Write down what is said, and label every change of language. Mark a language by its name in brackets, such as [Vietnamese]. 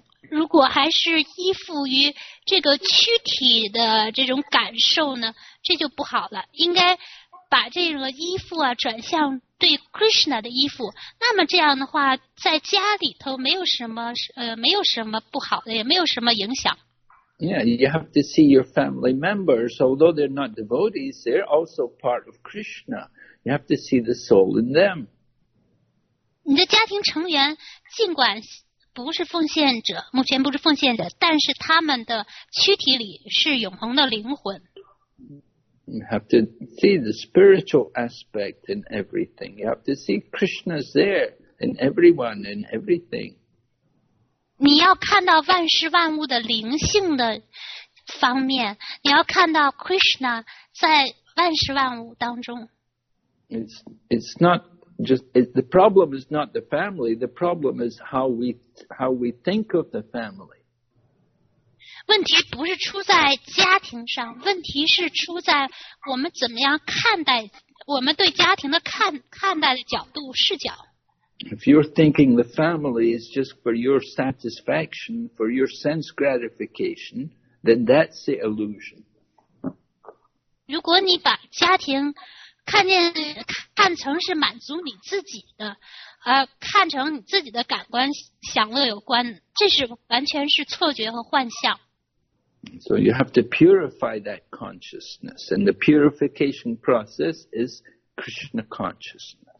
[Chinese] 如果还是依附于这个躯体的这种感受呢，这就不好了。应该把这个依附啊转向。对 Krishna 的衣服，那么这样的话，在家里头没有什么不好的，也没有什么影响。 [English] Yeah, you have to see your family members, although they're not devotees, they're also part of Krishna. You have to see the soul in them. [Chinese] 你的家庭成员尽管不是奉献者，目前不是奉献者，但是他们的躯体里是永恒的灵魂。 [English] You have to see the spiritual aspect in everything. You have to see Krishna's there in everyone, in everything. [Chinese] 你要看到万事万物的灵性的方面，你要看到 Krishna 在万事万物当中。 [English] The problem is not the family, the problem is how we think of the family. [Chinese] 问题不是出在家庭上，问题是出在我们怎么样看待我们对家庭的看待的角度视角。 [English] If you're thinking the family is just for your satisfaction, for your sense gratification, then that's the illusion. [Chinese] 如果你把家庭看成是满足你自己的，看成你自己的感官享乐有关，这是完全是错觉和幻象。 [English] So you have to purify that consciousness, and the purification process is Krishna consciousness.